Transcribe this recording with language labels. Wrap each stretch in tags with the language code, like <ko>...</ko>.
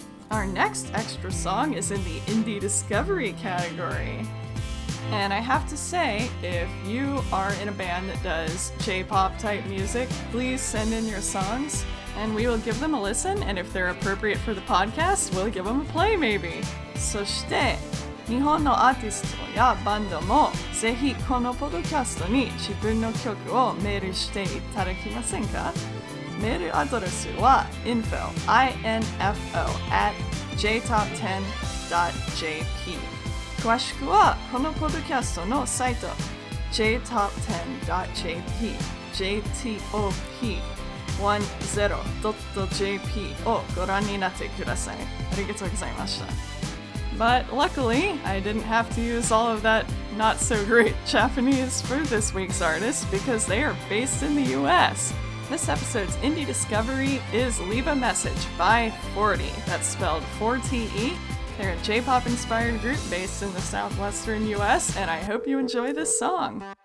<en>Our next extra song is in the Indie Discovery category. And I have to say, if you are in a band that does J-pop type music, please send in your songs and we will give them a listen, and if they're appropriate for the podcast, we'll give them a play maybe.</en> <ja>そして、日本のアーティストやバンドもぜひこのポッドキャストに自分の曲をメールしていただけませんか? メールアドレスは info@jtop10.jp。詳しくはこのポッドキャストのサイト jtop10.jp jtop10.jp をご覧になってください。ありがとうございました。</ja> <en>But luckily, I didn't have to use all of that not-so-great Japanese for this week's artist because they are based in the US. This episode's Indie Discovery is Leave a Message by 40. That's spelled 4TE. They're a J-pop-inspired group based in the southwestern US, and I hope you enjoy this song.</en>